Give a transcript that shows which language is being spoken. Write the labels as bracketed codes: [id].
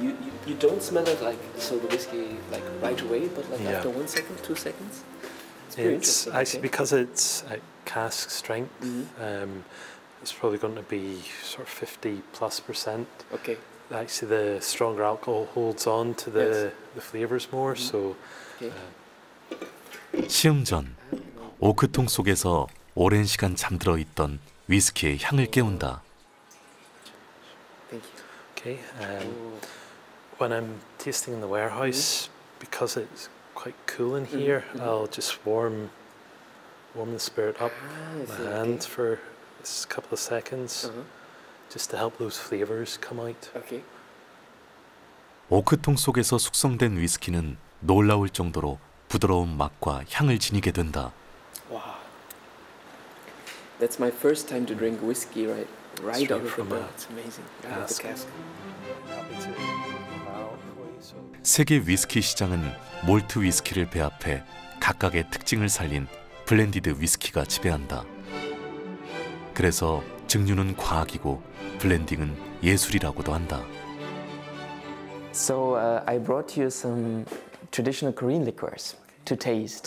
[en] You don't smell it like so the whiskey like right away, but like after 1 second, 2 seconds. It's actually okay. Because it's at cask strength. Mm-hmm. It's probably going to be sort of 50%+. Okay. Actually, the stronger alcohol holds on to the the flavors more. Mm-hmm. So. Okay. [ko] 시음 전 오크통 속에서 오랜 시간 잠들어 있던 위스키의 향을 깨운다. [en] Thank you. Okay. When I'm tasting in the warehouse, because it's quite cool in here, I'll just warm the spirit up my hand for. It's a couple of seconds just to help those flavors come out. Okay. [ko] 오크통 속에서 숙성된 위스키는 놀라울 정도로 부드러운 맛과 향을 지니게 된다. [en] Wow. That's my first time to drink whiskey right out of the barrel. It's amazing. Cask. Wow. [ko] 세계 위스키 시장은 몰트 위스키를 배합해 각각의 특징을 살린 블렌디드 위스키가 지배한다. 그래서 증류는 과학이고 블렌딩은 예술이라고도 한다. [en] So I brought you some traditional Korean liquors to taste.